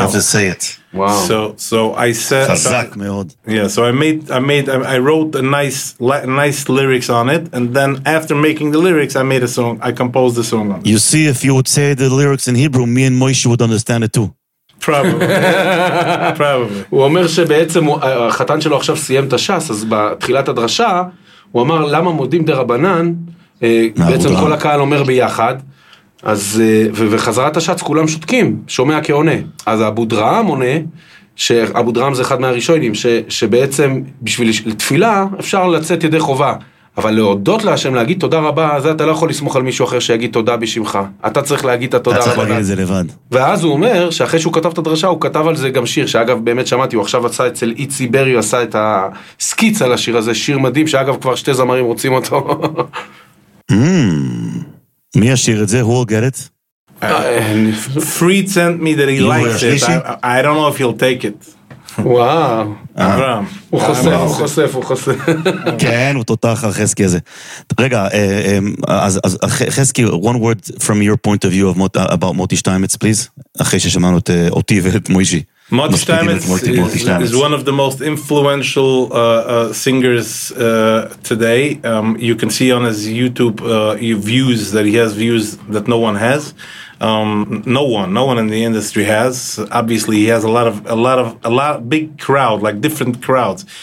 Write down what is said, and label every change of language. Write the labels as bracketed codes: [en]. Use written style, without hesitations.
[en] You have to say it. Wow. So I said... [he] Chazak meod. [en] Yeah, so I wrote a nice lyrics on it, and then after making the lyrics, I made a song, I composed the song on it. You see, if you would say the lyrics in Hebrew, me and Moishe would understand it too. Probably. [he] הוא אומר שבעצם החתן שלו עכשיו סיים את השס, אז בתחילת הדרשה, הוא אמר, למה מודים דרבנן, בעצם כל הקהל אומר ביחד, אז, וחזרת השץ, כולם שותקים, שומע כעונה. אז אבו דרעם עונה, שאבו דרעם זה אחד מהראשונים, שבעצם בשביל לתפילה אפשר לצאת ידי חובה. אבל להודות להשם, להגיד תודה רבה, אז אתה לא יכול לסמוך על מישהו אחר שיגיד תודה בשמך. אתה צריך להגיד את התודה רבה. אתה צריך להגיד את זה לבד. ואז הוא אומר שאחרי שהוא כתב את הדרשה, הוא כתב על זה גם שיר, שאגב באמת שמעתי, הוא עכשיו עשה אצל איצי ברי, הוא עשה את הסקיץ על השיר הזה, שיר מדהים, שאגב כבר שתי זמרים רוצים אותו. מי השיר את זה? [en] Who will get it? Freed sent me that he likes it. I don't know if he'll take it. [he] וואו, הוא חושף, הוא חושף, הוא חושף. כן, הוא תותח החסקי הזה. רגע, אז [en] חסקי, one word from your point of view about מוטי שטיימץ, please, [he] אחרי ששמענו אותי ואת מוישי. [en] מוטי שטיימץ is one of the most influential singers today. You can see on his YouTube views that he has views that no one has. No one in the industry has. Obviously he has a lot big crowd, like different crowds.